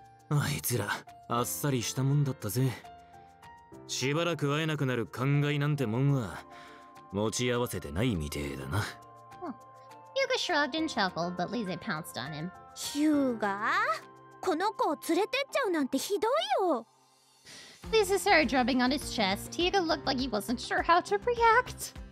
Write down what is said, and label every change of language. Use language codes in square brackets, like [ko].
[ja] あいつらあっさりしたもんだったぜ。しばらく会えなくなる考えなんてもんは持ち合わせてないみてえだな。 [en] Hyuga shrugged and chuckled, but Lisei pounced on him. Hyuga? [ja] この子を連れてっちゃうなんてひどいよ! [en] Lisei started drumming on his chest. Hyuga looked like he wasn't sure how to react.